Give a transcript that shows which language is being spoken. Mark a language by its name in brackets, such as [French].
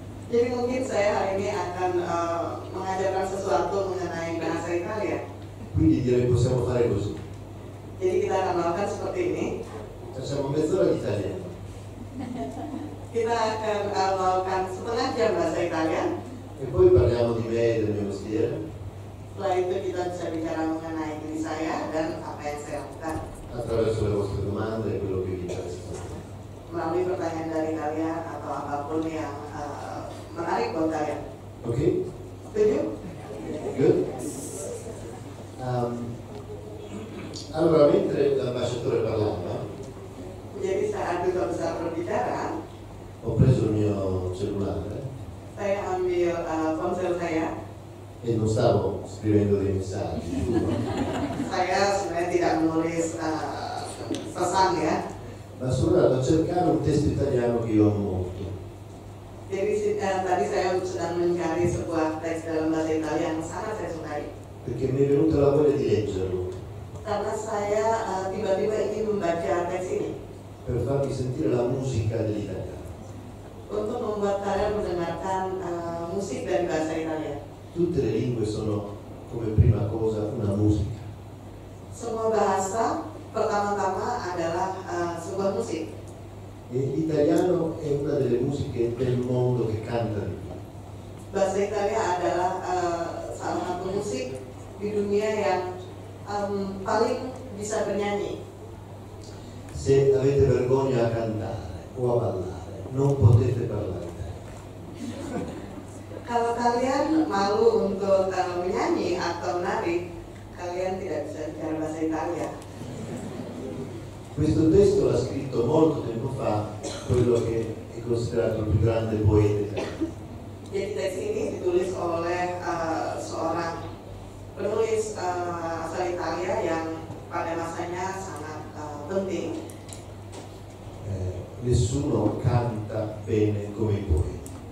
[Indonesian] Jadi mungkin saya hari ini akan mengajarkan sesuatu mengenai bahasa Italia. [Italian] Quindi direi possiamo fare così. [Indonesian] Jadi kita akan melakukan seperti ini. [Italian] Facciamo mezz'ora di italiano. [Indonesian] Kita akan melakukan setengah jam bahasa Italia. [Italian] E poi parliamo di me e del mio mestiere. [Indonesian] Setelah itu kita bisa bicara mengenai diri saya dan apa yang saya lakukan. [Italian] Attraverso le vostre domande e quello che vi interessa. [Indonesian] Melalui pertanyaan dari kalian atau apapun yang menarik buat kalian. Oke. Setuju? [English] Good. [Italian] Allora mentre l'ambasciatore parlava, [Indonesian] jadi saat duta besar berbicara, [Italian] ho preso il mio cellulare. [Indonesian] Saya ambil ponsel saya. [Italian] E non stavo scrivendo dei messaggi. [Indonesian] Saya sebenarnya tidak menulis pesan ya. [Italian] Ma sono andato a cercare un testo italiano che io amo molto. [Indonesian] Jadi tadi saya sedang mencari sebuah teks dalam bahasa Italia yang sangat saya sukai. [Italian] Perché mi è venuta la voglia di leggerlo. [Indonesian] Karena saya tiba-tiba ingin membaca teks ini. [Italian] Per farvi sentire la musica dell'Italia. [Indonesian] Untuk membuat kalian mendengarkan musik dari bahasa Italia. [Italian] Tutte le lingue sono come prima cosa una musica. [Indonesian] Semua bahasa Pertama-tama adalah sebuah musik. [Italian] L'italiano è una delle musiche del mondo che canta di più. [Indonesian] Bahasa Italia adalah salah satu musik di dunia yang paling bisa bernyanyi. [Italian] Se avete vergogna a cantare o a ballare, non potete parlare italiano. [Indonesian] Kalau kalian malu untuk menyanyi atau menari, kalian tidak bisa bicara bahasa Italia. [Italian] Questo testo l'ha scritto molto tempo fa quello che è considerato il più grande poeta. [Indonesian] Jadi teks ini ditulis oleh seorang penulis asal Italia yang pada masanya sangat penting. [Italian] Nessuno canta bene come i poeti.